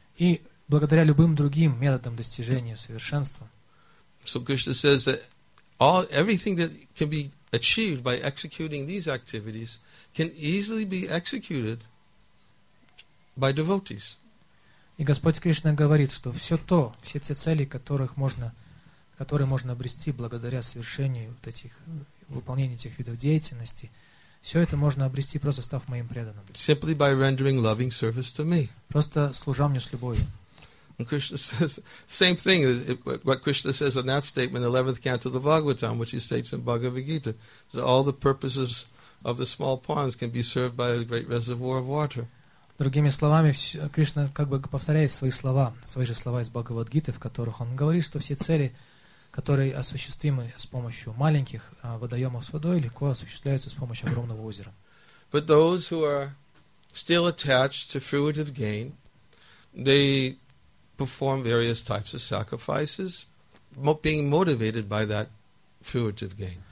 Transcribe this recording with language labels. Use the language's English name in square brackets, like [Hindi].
[Russian] И благодаря любым другим методам достижения совершенства. [English] So Krishna says that everything that can be achieved by executing these activities can easily be executed by devotees. [Russian] И Господь Кришна говорит, что все то, все те цели, которые можно обрести благодаря совершению вот этих, выполнению этих видов деятельности, все это можно обрести, просто став моим преданным. [English] Simply by rendering loving service to me. [Russian] Просто служа мне с любовью. [English] And Krishna says, same thing, what Krishna says in that statement, 11th canto of the Bhagavatam, which he states in Bhagavad Gita, that all the purposes of the small ponds can be served by a great reservoir of water. [Russian] Другими словами, Кришна как бы повторяет свои же слова из Бхагавад-гиты, в которых он говорит, что все цели, которые осуществимы с помощью маленьких водоемов с водой, легко осуществляются с помощью огромного озера. [English] But those who are still attached to fruitive gain, they perform various types of sacrifices, being motivated by that fruitive gain.